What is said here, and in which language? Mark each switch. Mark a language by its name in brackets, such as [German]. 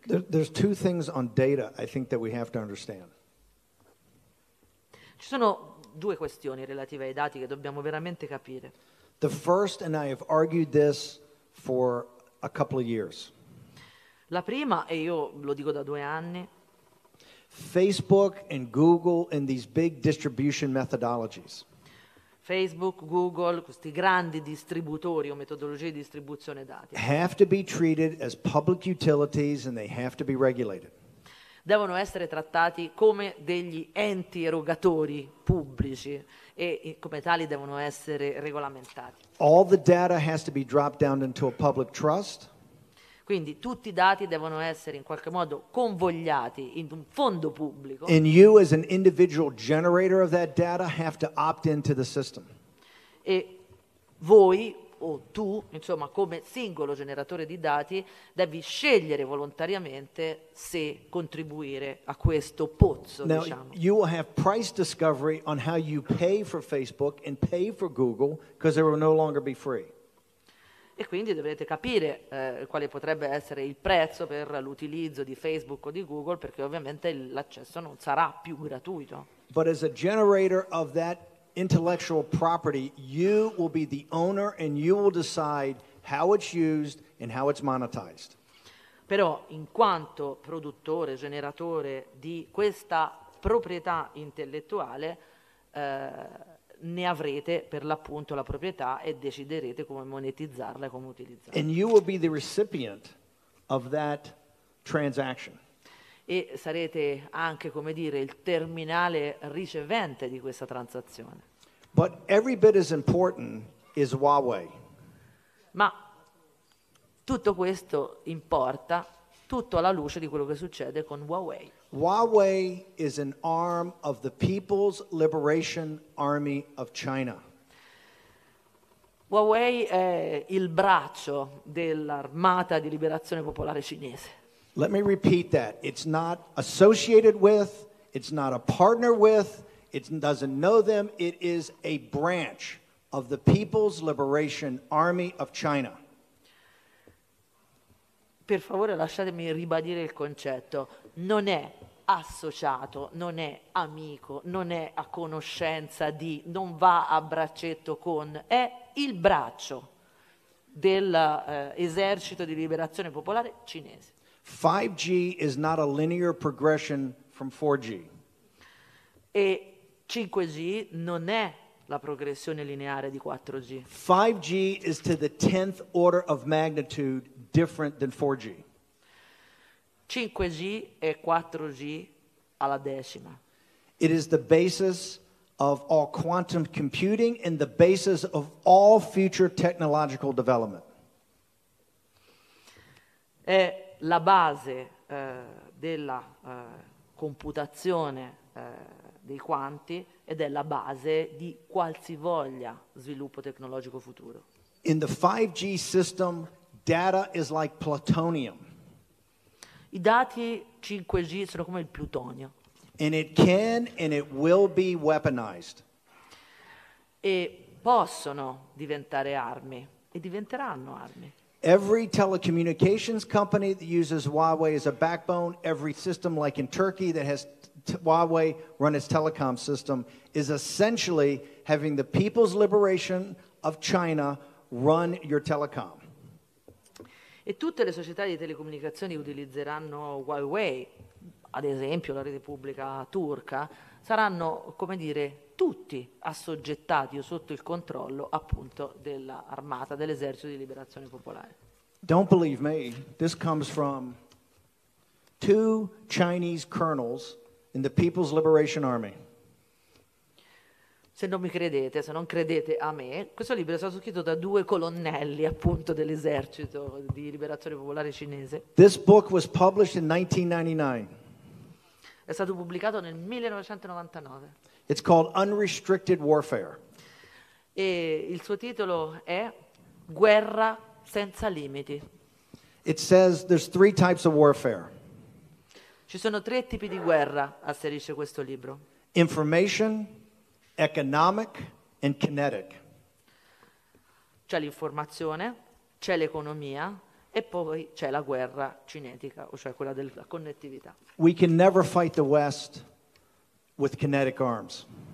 [English] There's two things on data I think that we have to understand. [Italian] Ci sono due questioni relative ai dati che dobbiamo veramente capire. [English] The first, and I have argued this for a couple of years. [Italian] La prima, e io lo dico da due anni. [English] Facebook and Google and these big distribution methodologies. [Italian] Facebook, Google, questi grandi distributori o metodologie di distribuzione dati. [English] Have to be treated as public utilities and they have to be regulated. [Italian] Devono essere trattati come degli enti erogatori pubblici e come tali devono essere regolamentati. [English] All the data has to be dropped down into a public trust. [Italian] Quindi tutti i dati devono essere in qualche modo convogliati in un fondo pubblico. [English] And you as an individual generator of that data have to opt into the system. [Italian] E voi o tu, insomma, come singolo generatore di dati, devi scegliere volontariamente se contribuire a questo pozzo, [English] now, [Italian] diciamo. [English] You will have price discovery on how you pay for Facebook and pay for Google because they will no longer be free. [Italian] E quindi dovrete capire quale potrebbe essere il prezzo per l'utilizzo di Facebook o di Google, perché ovviamente l'accesso non sarà più gratuito. [English] But as a generator of that intellectual property, you will be the owner and you will decide how it's used and how it's monetized. [Italian] Però in quanto produttore, generatore di questa proprietà intellettuale, ne avrete per l'appunto la proprietà e deciderete come monetizzarla e come utilizzarla. [English] And you will be the recipient of that transaction. [Italian] E sarete anche, come dire, il terminale ricevente di questa transazione. [English] But every bit as important is Huawei. [Italian] Ma tutto questo importa tutto alla luce di quello che succede con Huawei. [English] Huawei is an arm of the People's Liberation Army of China. [Italian] Huawei è il braccio dell'Armata di Liberazione Popolare Cinese. [English] Let me repeat that. It's not associated with, it's not a partner with, it doesn't know them. It is a branch of the People's Liberation Army of China. [Italian] Per favore, lasciatemi ribadire il concetto. Non è associato, non è amico, non è a conoscenza di, non va a braccetto con, è il braccio dell'esercito di liberazione popolare cinese. [English] 5G is not a linear progression from 4G. [Italian] E 5G non è la progressione lineare di 4G. [English] 5G is to the 10th order of magnitude different than 4G. [Italian] 5G e 4G alla decima. [English] It is the basis of all quantum computing and the basis of all future technological development. [Italian] è la base della computazione dei quanti ed è la base di qualsivoglia sviluppo tecnologico futuro. [English] In the 5G system, data is like plutonium. [Italian] I dati 5G sono come il plutonio. [English] And it can and it will be weaponized. [Italian] E possono diventare armi e diventeranno armi. [English] Every telecommunications company that uses Huawei as a backbone, every system like in Turkey that has Huawei run its telecom system is essentially having the People's Liberation of China run your telecom. [Italian] E tutte le società di telecomunicazioni utilizzeranno Huawei, ad esempio la rete pubblica turca, saranno, come dire, tutti assoggettati o sotto il controllo appunto dell'armata, dell'esercito di liberazione popolare. [English] Don't believe me, this comes from two Chinese colonels in the People's Liberation Army. [Italian] Se non mi credete, se non credete a me, questo libro è stato scritto da due colonnelli appunto dell'esercito di liberazione popolare cinese. [English] This book was published in 1999. [Italian] È stato pubblicato nel 1999. [English] It's called Unrestricted Warfare. [Italian] E il suo titolo è Guerra senza limiti. [English] It says there's three types of warfare. [Italian] Ci sono tre tipi di guerra, asserisce questo libro. [English] Information, economic and kinetic. [Italian] C'è l'informazione, c'è l'economia e poi c'è la guerra cinetica, o cioè quella della connettività. [English] We can never fight the West with kinetic arms.